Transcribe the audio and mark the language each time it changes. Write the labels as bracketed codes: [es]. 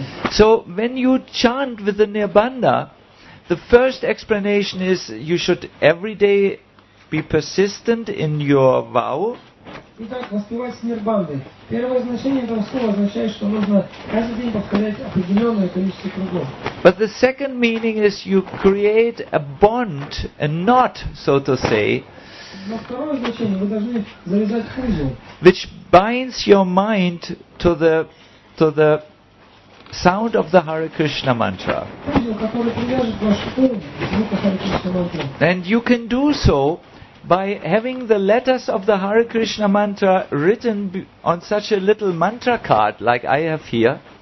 [en] So when you chant with the Nirbanda, the first explanation is you should every day be persistent in your vow. [ru] Итак, воспевать с нирбандой. Первое значение этого слова означает, что нужно каждый день повторять определенное количество кругов. [en] But the second meaning is you create a bond, a knot, so to say. [ru] Но второе значение, вы должны завязать узел. [en] Which binds your mind to the sound of the Hare Krishna mantra. [ru] Узел, который привяжет ваш ум к звуку Hare Krishna mantra. [en] And you can do so by having the letters of the Hare Krishna mantra written on such a little mantra card like I have here.